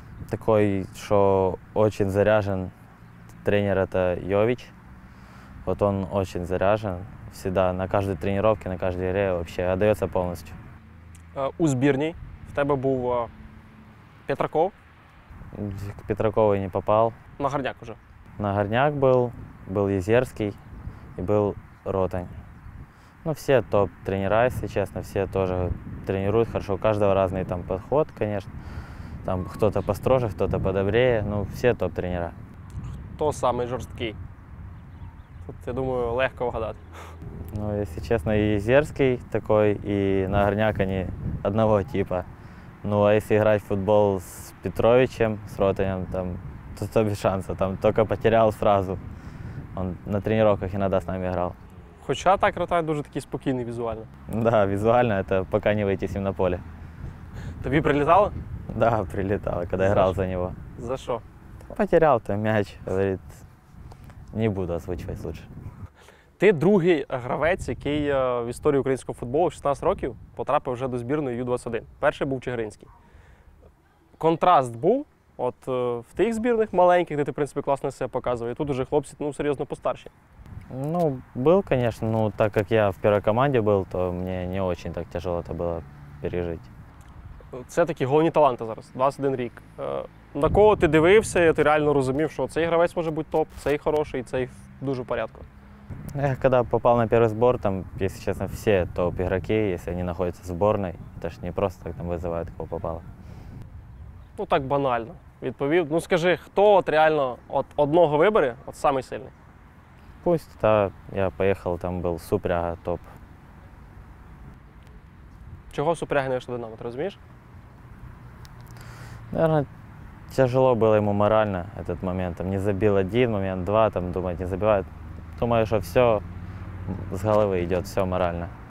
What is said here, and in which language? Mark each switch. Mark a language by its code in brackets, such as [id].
[uk] Такий, що дуже заряжен тренер, це Йович. От він дуже заряжен. Завжди на кожній тренуванні, на кожній грі, взагалі, віддається повністю. У збірній в тебе був Петраков? К Петракову не попав. На Горняк уже? [ru] На Горняк был, был Езерский и был Ротань. Ну, все топ-тренера, если честно, все тоже тренируют хорошо. У каждого разный там подход, конечно. Там кто-то построже, кто-то подобрее. Ну, все топ-тренера. Кто самый жесткий? Тут, я думаю, легко угадать. Ну, если честно, и Езерский такой, и на Горняк они одного типа. Ну, а если играть в футбол с Петровичем, с Ротанем, там... Тут без шансу, там только потерял сразу. Он на тренировках иногда с нами играл. [uk] Хоча так Ротань дуже такий спокійний візуально. Да, візуально, это пока не вийти з ним на поле. Тобі прилітало? [ru] Да, прилітало, когда играл за него. [uk] За що? [ru] Потерял там мяч, говорит, не буду озвучивать лучше. [uk] Ти другий гравець, який в історії українського футболу 16 років потрапив вже до збірної U21. Перший був Чигиринський. Контраст був? От в тих збірних маленьких, де ти, в принципі, класно себе показував, і тут уже хлопці, ну, серйозно постарші. Ну, був, звісно, ну, так як я в першій команді був, то мені не дуже так тяжело це було пережити. Це такі головні таланти зараз, 21 рік. На кого ти дивився, і ти реально розумів, що цей гравець може бути топ, цей хороший, цей дуже в порядку? Я коли попав на перший збір, там, якщо чесно, всі топ-ігроки, якщо вони знаходяться в збірній, це ж не просто так там визивають, кого попало. Ну, так банально відповів. Ну, скажи, хто от реально от одного вибере, от самий сильний? Пусть, та я поїхав, там був Супряга топ. Чого Супряга не вийшов до Динамо, ти розумієш? Наверно, тяжело було йому морально, цей момент. Там не забив один момент, два, там, думаю, не забиває. Думаю, що все з голови йде, все морально.